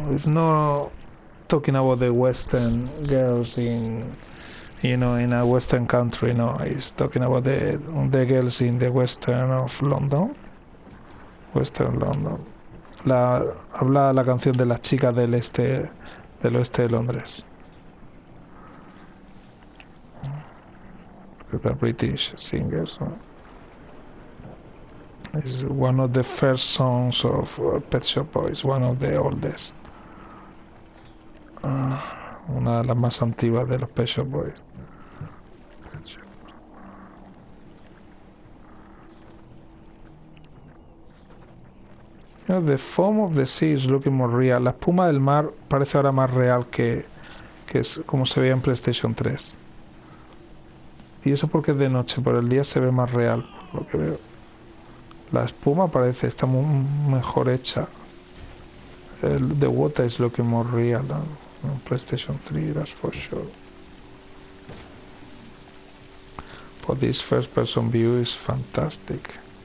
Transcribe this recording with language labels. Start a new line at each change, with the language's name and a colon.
English: It's not talking about the Western girls in, you know, in a Western country. No, it's talking about the girls in the Western of London. Western London.
Spanish: Habla la canción de las chicas del este. Del oeste de Londres.
English: The British singers. It's one of the first songs of Pet Shop Boys, one of the oldest.
Spanish: Una de las más antiguas de los Pet Shop Boys.
English: The foam of the sea is looking more real.
Spanish: La espuma del mar parece ahora más real que es como se veía en PlayStation 3. Y eso porque es de noche, por el día se ve más real, por lo que veo. La espuma parece, está muy mejor hecha.
English: The water is looking more real than PlayStation 3, that's for sure. But this first person view is fantastic.